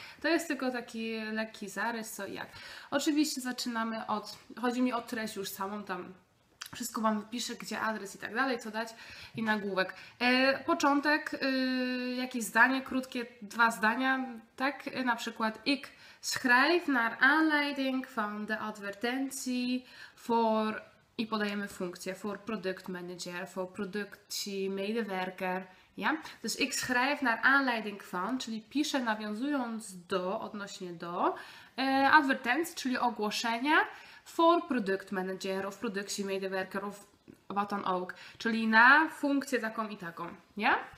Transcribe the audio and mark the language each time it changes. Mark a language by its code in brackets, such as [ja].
[pl] To jest tylko taki lekki zarys, co i jak. Oczywiście zaczynamy od, chodzi mi o treść już samą tam. Wszystko wam wypiszę, gdzie adres i tak dalej, co dać i nagłówek. Początek, jakieś zdanie, krótkie dwa zdania, tak? Na przykład [nl] ik schrijf naar aanleiding van de advertentie voor [pl] i podajemy funkcję [nl] for product manager, for productie medewerker, ja? Dus ik schrijf naar aanleiding van, [pl] czyli piszę nawiązując do, odnośnie do [nl] advertentie, [pl] czyli ogłoszenia [nl] for product manager, of productie medewerker, of wat dan ook, [pl] czyli na funkcję taką i taką, [nl] ja?